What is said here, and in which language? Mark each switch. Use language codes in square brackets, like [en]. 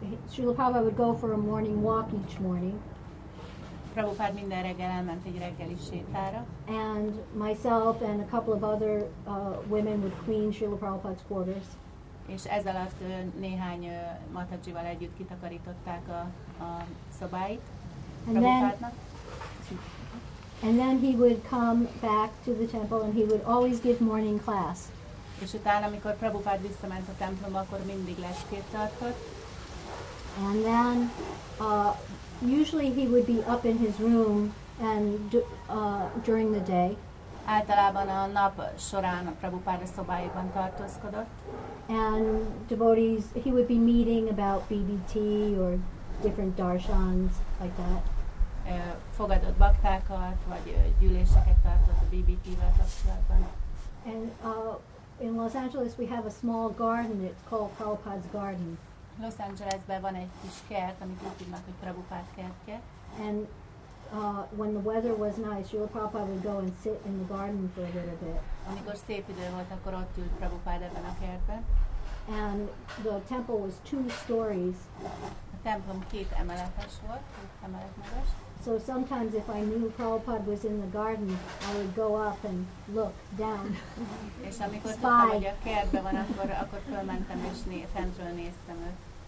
[en] Srila Prabhupada would go for a morning walk each morning. [hu] Prabhupada minden reggel elment egy reggeli sétára. [en] And myself and a couple of other women would clean Srila Prabhupada's quarters. [hu] És ez alatt néhány Matajival együtt kitakarították a szobáit Prabhupádnak. [en] And then he would come back to the temple and he would always give morning class. [hu] És utána, amikor Prabhupada visszament a templomba, akkor mindig leckét tartott. [en] And then usually he would be up in his room and during the day. [hu] Általában a nap során a Prabhupada szobájában tartózkodott. [en] And devotees, he would be meeting about BBT or different darshans like that. [hu] Fogadott baktákat vagy gyűléseket tartott a BBT-vel kapcsolatban. [en] And in Los Angeles we have a small garden, it's called Prabhupada's garden. [hu] Los Angelesben van egy kis kert, amit úgy hívnak, hogy Prabhupád kertje. [en] And when the weather was nice, Srila Prabhupada would go and sit in the garden for a little bit. [hu] Amikor szép idő volt, akkor ott ült Prabhupád ebben a kertben. [en] And the temple was two stories. [hu] A templom két emeletes volt, két emelet magas. [en] So sometimes if I knew Prabhupada was in the garden, I would go up and look down. [hu] És amikor tudtam, hogy a kertben van, akkor fölmentem és fentről néztem őt.